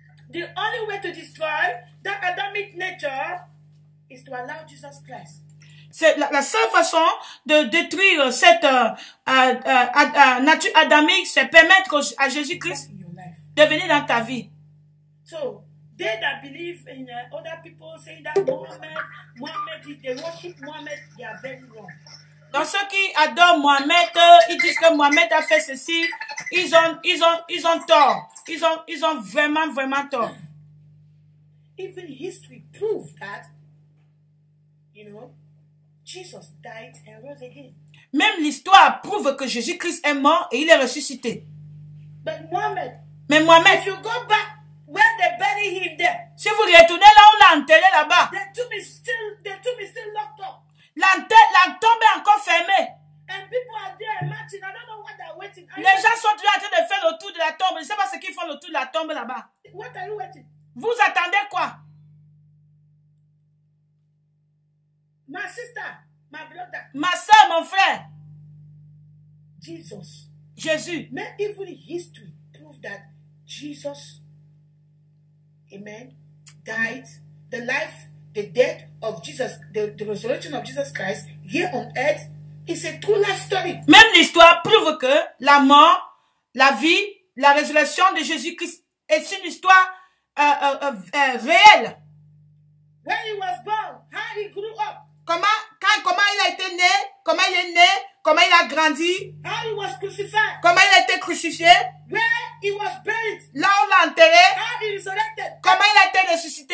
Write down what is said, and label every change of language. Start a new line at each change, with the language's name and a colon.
English: The only way to destroy that Adamic nature is to allow Jesus Christ.
French: C'est la seule façon de détruire cette nature adamique, c'est permettre à Jésus-Christ de venir dans ta vie.
English: So, they that believe in other people saying that Mohammed, they worship Mohammed, they are very wrong.
French: Donc ceux qui adorent Mohammed, ils disent que Mohammed a fait ceci, ils ont tort. Ils ont vraiment vraiment tort.
English: Even history proves that, you know. Jesus died and rose again.
French: Même l'histoire prouve que Jésus-Christ est mort et il est ressuscité.
English: Mais Mohammed, if you go back where they buried him there,
French: si vous retournez là où on l'a enterré là-bas,
English: the tomb is still locked up.
French: La tombe est encore fermée.
English: And people are there imagine, I don't know what they're waiting.
French: Les gens sont toujours en train de faire le tour de la tombe. Je ne sais pas ce qu'ils font le tour de la tombe là-bas.
English: What are you waiting?
French: Vous attendez quoi?
English: My sister, my brother.
French: Ma soeur, mon frère. Jésus.
English: Mais even history prove that Jesus, amen, died. The life, the death of Jesus, the resurrection of Jesus Christ here on earth is a true life story.
French: Même l'histoire prouve que la mort, la vie, la résurrection de Jésus-Christ est une histoire réelle.
English: When he was born, how he grew up.
French: Comment il a été né, comment il est né, comment il a grandi,
English: how he was crucified,
French: comment il a été crucifié,
English: where he was buried,
French: là on l'a enterré,
English: how he resurrected,
French: comment il a été ressuscité.